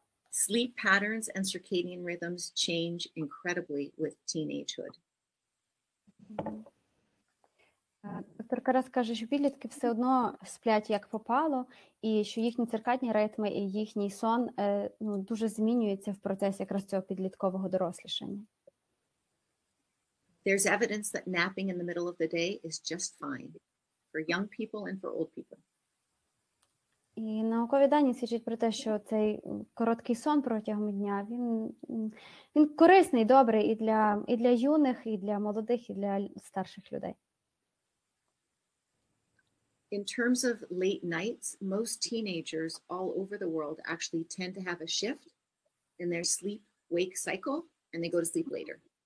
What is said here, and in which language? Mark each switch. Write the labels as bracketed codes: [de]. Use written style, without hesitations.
[en] Sleep patterns and circadian rhythms change incredibly with teenagehood. [uk] Тільки раз каже, що підлітки все одно сплять як попало, і що їхні циркадні ритми і їхній сон дуже змінюються в процесі якраз цього підліткового дорослішання. [en] There's evidence that napping in the middle of the day is just fine for young people and for old people. [uk] І наукові дані свідчать про те, що цей короткий сон протягом дня, він корисний, добрий і для юних, і для молодих, і для старших людей. [en] In terms of late nights, most teenagers all over the world actually tend to have a shift in their sleep-wake cycle and they go to sleep later.